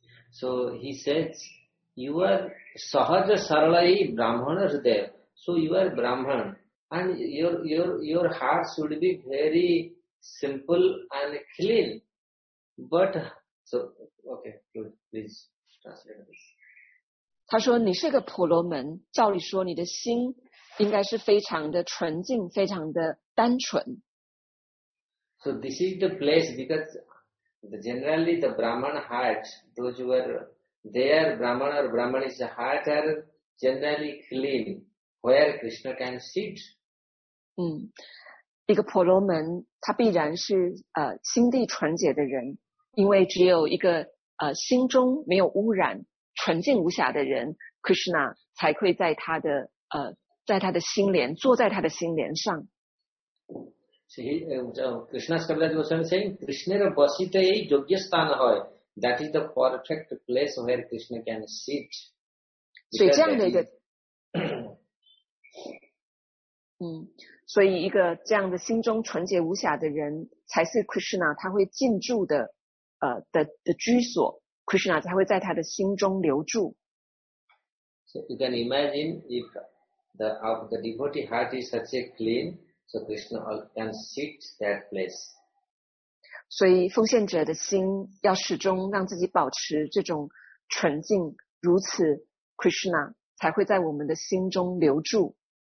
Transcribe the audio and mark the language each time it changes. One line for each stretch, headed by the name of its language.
English: So he says, you are
Bangla: sahaja saralai brahmana hriday,
English: so you are brahman and your heart should be very simple and clean. But, so, okay, please translate this.
Chinese: 他说你是个婆罗门，照理说你的心应该是非常的纯净，非常的单纯。
English: So this is the place because... Generally, the Brahman heart, those who are there, Brahman or Brahmanis heart are generally clean, where Krishna can sit.
Chinese: 一个婆罗门，他必然是心地纯洁的人，因为只有一个心中没有污染、纯净无瑕的人 ，Krishna 才会在他的在他的心莲，坐在他的心莲上。
English: Krishna's Kavya Goswami saying,
Bangla: Krishna basita ei yogya sthan hoy.
English: That is the perfect place where Krishna can sit.
Chinese: So, 这样的一个，所以一个这样的心中纯洁无瑕的人，才是 Krishna 他会进驻的的居所。 Krishna 才会在他的心中留住。
English: So you can imagine if the devotee heart is such a clean. So Krishna can sit that place.
Chinese: 所以奉献者的心要始终让自己保持这种纯净，如此 Krishna 才会在我们的心中留住。